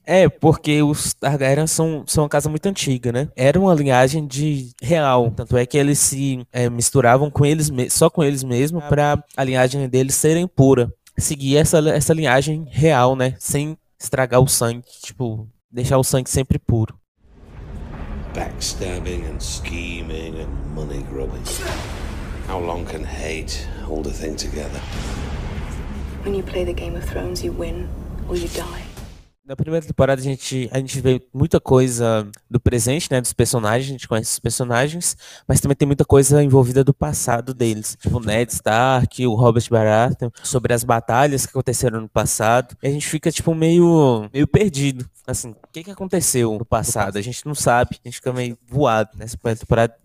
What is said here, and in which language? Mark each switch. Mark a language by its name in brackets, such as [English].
[Portuguese] É, porque os Targaryen são uma casa muito antiga, né? Era uma linhagem de real, tanto é que eles se misturavam com eles só com eles mesmo para a linhagem deles serem pura, seguir essa linhagem real, né, sem estragar o sangue, tipo, deixar o sangue sempre puro. [English] Backstabbing and scheming and money grubbing. How long can hate hold a thing together? When you play the Game of Thrones, you win or you die. [Portuguese] Na primeira temporada a gente vê muita coisa do presente, né, dos personagens, a gente conhece os personagens, mas também tem muita coisa envolvida do passado deles, tipo o Ned Stark, o Robert Baratheon, sobre as batalhas que aconteceram no passado, e a gente fica tipo meio perdido, assim, o que aconteceu no passado, a gente não sabe, a gente fica meio voado nessa primeira temporada.